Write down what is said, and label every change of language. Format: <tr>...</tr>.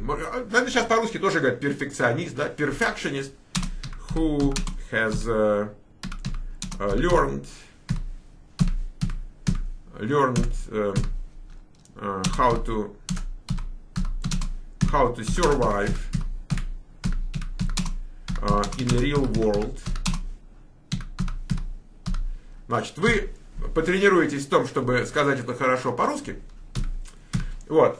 <ru>Наверное, сейчас по-русски тоже говорят перфекционист, да?</ru> <en>Perfectionist. Who has learned how to survive in the real world.</en> <ru>Значит, вы потренируетесь в том, чтобы сказать это хорошо по-русски. Вот.</ru>